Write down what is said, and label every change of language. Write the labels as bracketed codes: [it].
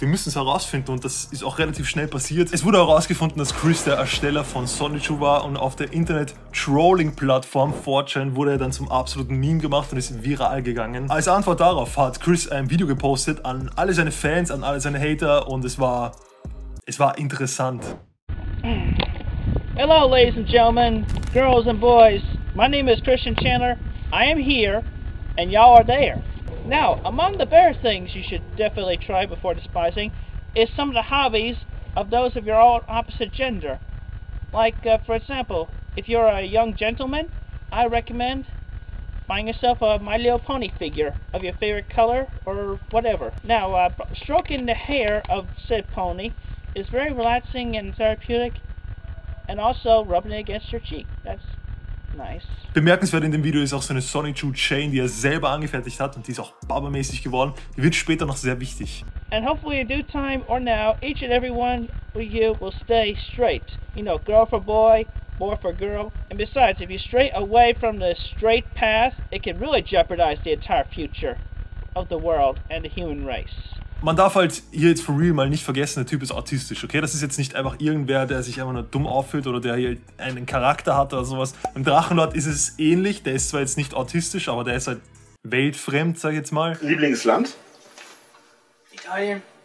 [de] Wir müssen es herausfinden und das ist auch relativ schnell passiert. Es wurde herausgefunden, dass Chris der Ersteller von Sonichu war und auf der Internet-Trolling-Plattform 4chan wurde er dann zum absoluten Meme gemacht und ist viral gegangen. Als Antwort darauf hat Chris ein Video gepostet an alle seine Fans, an alle seine Hater und es war interessant. [en] Hello ladies and gentlemen, girls and boys, my name is Christian Chandler, I am here and y'all are there. Now, among the better things you should definitely try before despising is some of the hobbies of those of your own opposite gender. Like, for example, if you're a young gentleman, I recommend buying yourself a My Little Pony figure of your favorite color or whatever. Now, stroking the hair of said pony is very relaxing and therapeutic, and also rubbing it against your cheek. That's nice. [de] Bemerkenswert in dem Video ist auch so eine Sonichu Chain, die er selber angefertigt hat und die ist auch babamäßig geworden. Die wird später noch sehr wichtig. [en] And hopefully in due time or now, each and every one of you will stay straight. You know, girl for boy, more for girl, and besides, if you stray away from the straight path, it can really jeopardize the entire future of the world and the human race. [de] Man darf halt hier jetzt [en] for real [de] mal nicht vergessen, der Typ ist autistisch, okay? Das ist jetzt nicht einfach irgendwer, der sich einfach nur dumm auffühlt oder der hier einen Charakter hat oder sowas. Im Drachenlord ist es ähnlich, der ist zwar jetzt nicht autistisch, aber der ist halt weltfremd, sag ich jetzt mal. Lieblingsland? Italien.